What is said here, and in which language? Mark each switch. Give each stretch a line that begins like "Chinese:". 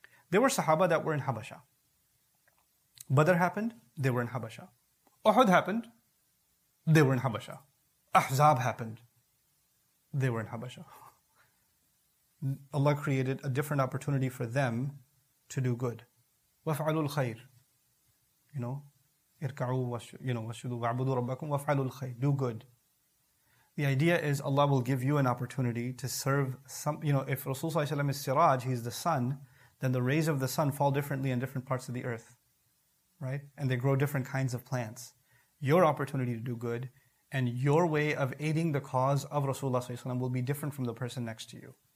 English: There were sahaba that were in Habasha. Badr happened, they were in Habasha. Uhud happened, they were in Habasha. Ahzab happened, they were in Habasha. Allah created a different opportunity for them to do good.
Arabic: وَفْعَلُوا الْخَيْرِ
English: You know,
Arabic: اِرْكَعُوا وَشُّدُوا وَعْبُدُوا رَبَّكُمْ وَفْعَلُوا الْخَيْرِ
English: Do good. The idea is Allah will give you an opportunity to serve some, you know, if Rasulullah ﷺ is Siraj, he's the sun, then the rays of the sun fall differently in different parts of the earth. right? And they grow different kinds of plants. Your opportunity to do good and your way of aiding the cause of Rasulullah ﷺ will be different from the person next to you.